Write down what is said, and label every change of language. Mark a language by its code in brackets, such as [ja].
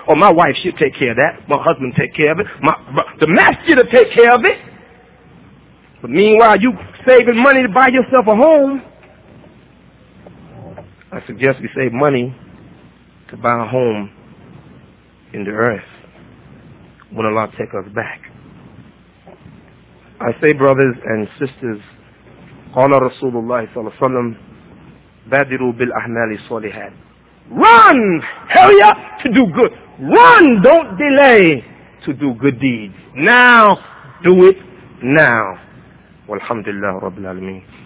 [en] Or my wife should take care of that. My husband take care of it. The master to take care of it. But meanwhile, you saving money to buy yourself a home. I suggest we save money to buy a home in the earth when Allah take us back. I say, brothers and sisters, [ar] قال رسول الله صلى الله عليه وسلم بادروا بالأعمال الصالحات. [en] Run! Hurry up to do good. Run! Don't delay to do good deeds. Now, do it now. Walhamdulillah Rabbil Alameen.